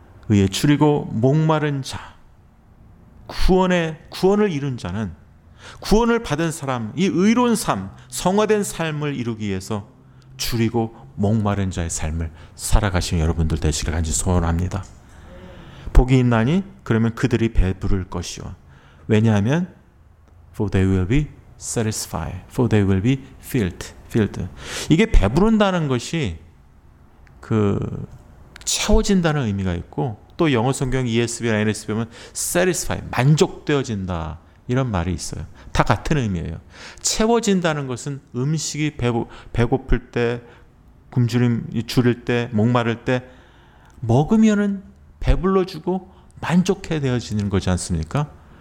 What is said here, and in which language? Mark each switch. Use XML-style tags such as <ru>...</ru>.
<ko>의에 추리고 목마른 자, 구원을 이룬 자는, 구원을 받은 사람, 이 의로운 삶, 성화된 삶을 이루기 위해서 추리고 목마른 자의 삶을 살아가시는 여러분들 되시길 간절히 소원합니다. 복이 있나니 그러면 그들이 배부를 것이요, 왜냐하면</ko> <en>for they will be satisfied, for they will be filled.</en> <ko>이게 배부른다는 것이 그 채워진다는 의미가 있고, 또 영어 성경 ESV나 NSV 보면 satisfy, 만족되어진다, 이런 말이 있어요. 다 같은 의미예요. 채워진다는 것은 음식이 배고플 때, 굶주림 줄일 때, 목마를 때 먹으면은 배불러주고 만족해 되어지는 거지 않습니까?</ko>